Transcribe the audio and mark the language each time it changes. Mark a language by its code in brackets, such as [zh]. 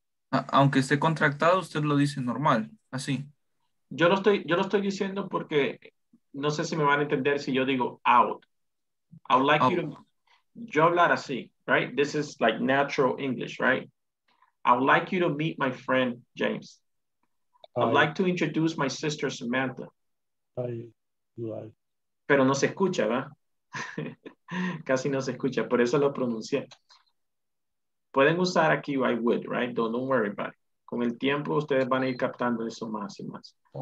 [es] Aunque esté contractado, usted lo dice normal, así. Yo lo estoy diciendo porque no sé si me van a entender si yo digo out. [en] I would like out. You to, [es] yo hablar así, [en] right? This is like natural English, right? I would like you to meet my friend, James. I would like to introduce my sister, Samantha. [es] Pero no se escucha, ¿verdad? Casi no se escucha, por eso lo pronuncié. Pueden usar aquí, [en] I would, right? Don't worry about it. [es] Con el tiempo, ustedes van a ir captando eso más y más.